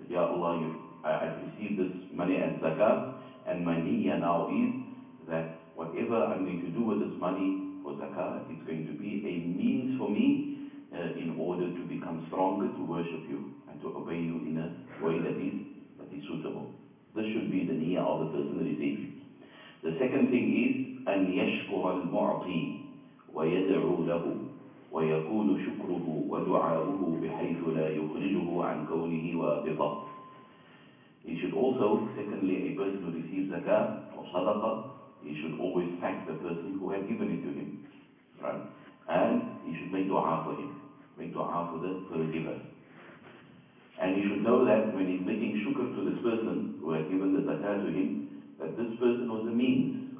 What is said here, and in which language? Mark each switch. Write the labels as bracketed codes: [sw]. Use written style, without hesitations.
[en] Ya Allah, I've received this money as zakah, and my niyyah now is that whatever I'm going to do with this money for zakah, it's going to be a means for me in order to become stronger, to worship you, and to obey you in a way that is suitable. This should be the niyyah of the person receiving. The second thing is, [ar] أن يشكر المعطي ويدعو له ويكون شكره ودعاؤه بحيث لا يخرجه عن كونه وابطه. [en] He should also, secondly, a person who receives zakah or sadaqah, he should always thank the person who had given it to him. Right? And he should make dua for him. Make dua for the forgiver. And he should know that when he's making shukr to this person who had given the zakah to him, that this person was a means.